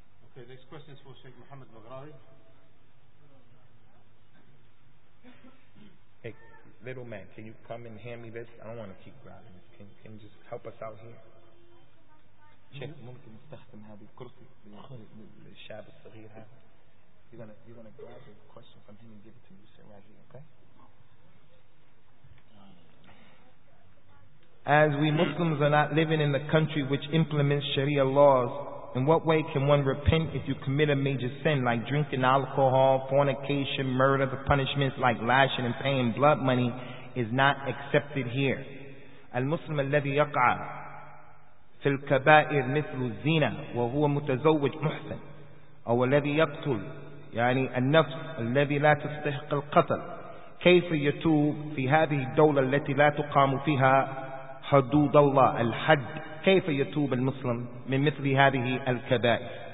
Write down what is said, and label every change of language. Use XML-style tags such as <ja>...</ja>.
<en>Okay, next question is for Sheikh Muhammad Maghrawi. Hey, little man, can you come and hand me this? I don't want to keep grabbing this. Can you just help us out here?</en> <ar>Sheikh, ممكن نستخدم هذه الكرسي للشاب الصغير هذا.</ar> <en>You're gonna grab a question from him and give it to me, sir, Raji, okay? As we Muslims are not living in the country which implements Sharia laws, in what way can one repent if you commit a major sin like drinking alcohol, fornication, murder? The punishments like lashing and paying blood money is not accepted here.</en> <ar>المسلم الذي يقع في الكبائر مثل الزنا وهو متزوج محسن أو الذي يقتل يعني النفس الذي لا تستحق القتل كيف يتوب في هذه الدولة التي لا تقام فيها حدود الله الحد كيف يتوب المسلم من مثل هذه الكبائر؟</ar>